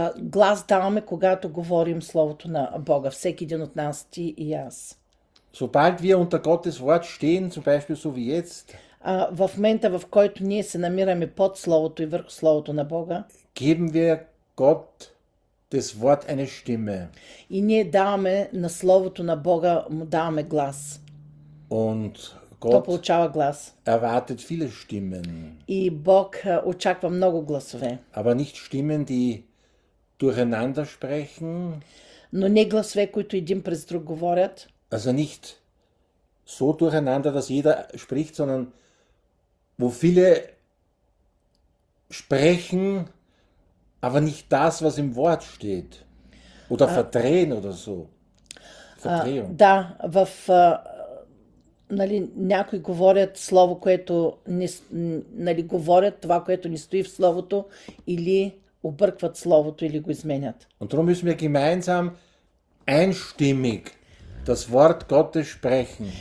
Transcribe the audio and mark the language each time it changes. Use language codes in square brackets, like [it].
[bg] Glas даваме, когато говорим Словото на Бога, всеки един от нас, ти и аз. [de] Sobald wir unter Gottes Wort stehen, zum Beispiel so wie jetzt, [bg] в момента, в който ние се намираме под Словото и върху Словото на Бога, [de] geben wir Gott das Wort eine Stimme. [bg] И ние даваме на Словото на Бога, му даваме глас. [de] Und [bg] Gott получава глас. [de] Erwartet viele Stimmen. [bg] И Бог очаква много гласове. [de] Aber nicht Stimmen, die durcheinander sprechen. [bg] Но не гласове, които един през друг говорят. [de] Also nicht so durcheinander, dass jeder spricht, sondern wo viele sprechen, aber nicht das, was im Wort steht. Oder verdrehen oder so. Verdrehung. [bg] Да, в нали, някои говорят слово, което не, нали, говорят това, което не стои в словото, или объркват словото, или го изменят. [de] Und darum müssen wir gemeinsam einstimmig das Wort Gottes sprechen.